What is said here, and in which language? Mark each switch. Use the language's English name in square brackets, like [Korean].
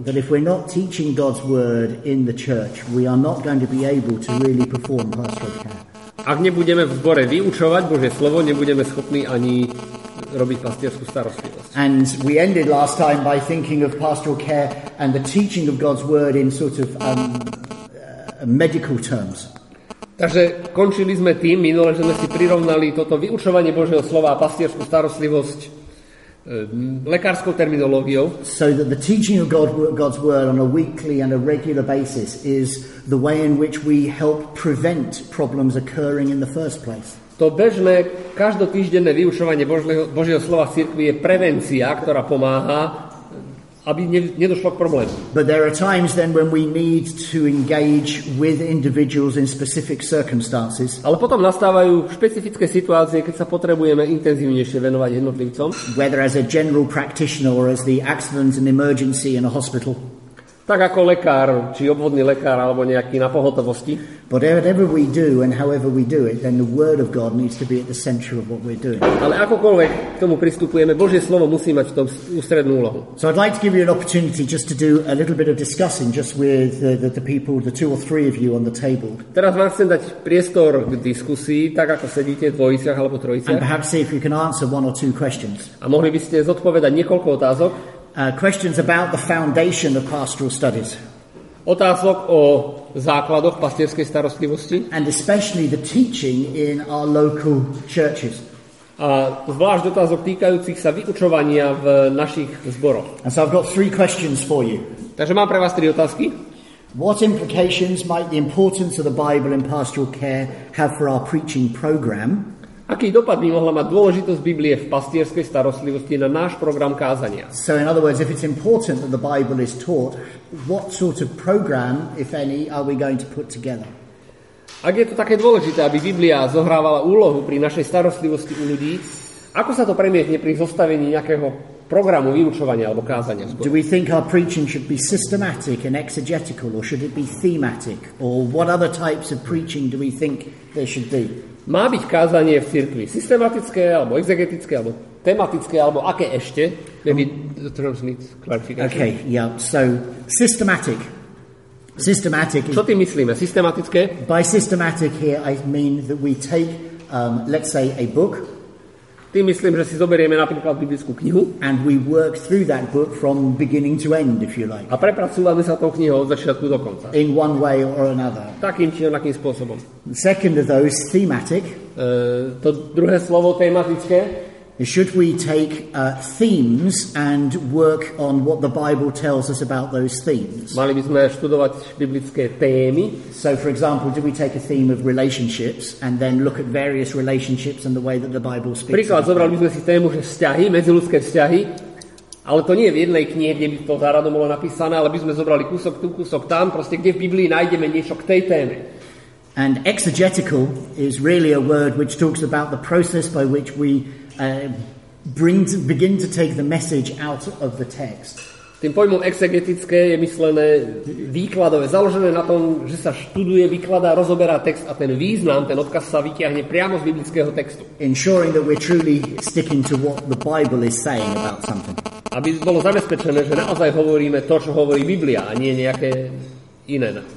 [English] But if we're not teaching God's word in the church, we are not going to be able to really perform pastoral care. [Slovak] Ak nebudeme v zbore vyučovať Božie slovo, nebudeme schopní ani robiť pastierskú starostlivosť. [English] And we ended last time by thinking of pastoral care and the teaching of God's word in sort of medical terms. [Slovak] Takže končili sme tým minule, že sme si prirovnali toto vyučovanie Božieho slova a pastierskú starostlivosť lekárskou terminológiou. [English] So that the teaching of God's word on a weekly and a regular basis is the way in which we help prevent problems occurring in the first place. [Slovak] To bežné, každotýždenné vyučovanie Božieho slova v cirkvi je prevencia, ktorá pomáha, aby nedošlo k problému. [English] But there are times then when we need to engage with individuals in specific circumstances. [Slovak] Ale potom nastávajú špecifické situácie, keď sa potrebujeme intenzívnejšie venovať jednotlivcom. [English] Whether as a general practitioner or as the accident and emergency in a hospital. [Slovak] Tak ako lekár, či obvodný lekár, alebo nejaký na pohotovosti. [English] But whatever we do and however we do it, then the word of God needs to be at the center of what we're doing. [Slovak] Ale akokoľvek k tomu pristupujeme, Božie slovo musí mať v tom ústrednú úlohu. [English] So I'd like to give you an opportunity just to do a little bit of discussing just with the people, the two or three of you on the table. [Slovak] Teraz vám chcem dať priestor k diskusii, tak ako sedíte v dvojiciach alebo trojiciach. [English] And perhaps see if you can answer one or two questions. [Slovak] A mohli by ste zodpovedať niekoľko otázok? [English] Questions about the foundation of pastoral studies. [Slovak] Otázok o základoch pastierskej starostlivosti. [English] And especially the teaching in our local churches. [Slovak] A zvlášť otázok týkajúcich sa vyučovania v našich zboroch. [English] And so I've got three questions for you. [Slovak] Takže mám pre vás tri otázky. [English] What implications might the importance of the Bible in pastoral care have for our preaching program? [Slovak] Aký dopad by mohla mať dôležitosť Biblie v pastierskej starostlivosti na náš program kázania? [English] So in other words, if it's important that the Bible is taught, what sort of program, if any, are we going to put together? [Slovak] Ak je to také dôležité, aby Biblia zohrávala úlohu pri našej starostlivosti u ľudí, ako sa to premietne pri zostavení nejakého programu vyučovania alebo kázania? [English] Do we think our preaching should be systematic and exegetical, or should it be thematic, or what other types of preaching do we think there should be? [Slovak] Má byť kázanie v cirkvi systematické, alebo exegetické, alebo tematické, alebo aké ešte? [English] Maybe the terms need clarification. Okay, yeah, so systematic. Systematic. [Slovak] Čo ty myslíme? Systematické? [English] By systematic here I mean that we take, let's say, a book. [Slovak] Tým myslím, že si zoberieme napríklad biblickú knihu. [English] And we work through that book from beginning to end, if you like. [Slovak] A prepracúvame sa tou knihou od začiatku do konca. [English] In one way or another. [Slovak] Takým či onakým spôsobom. [English] The second of those, thematic. [Slovak] To druhé slovo, tematické. [English] Should we take themes and work on what the Bible tells us about those themes? [Slovak] Mali by sme študovať biblické témy. [English] So, for example, do we take a theme of relationships and then look at various relationships and the way that the Bible speaks? [Slovak] Príklad, zobrali by sme si tému, že vzťahy, medziľudské vzťahy, ale to nie je v jednej knihe, kde by to záradom bolo napísané, ale by sme zobrali kúsok tu, kúsok tam, proste kde v Biblii nájdeme niečo k tej téme. [English] And exegetical is really a word which talks about the process by which we begin to take the message out of the text. [Slovak] Tým pojmom exegetické je myslené výkladové, založené na tom, že sa študuje, vykladá, rozoberá text a ten význam, ten odkaz sa vytiahne priamo z biblického textu. [English] Ensuring that we're truly sticking to what the Bible is saying about something. [Slovak] Aby bolo zabezpečené, že naozaj hovoríme to, čo hovorí Biblia, a nie nejaké iné.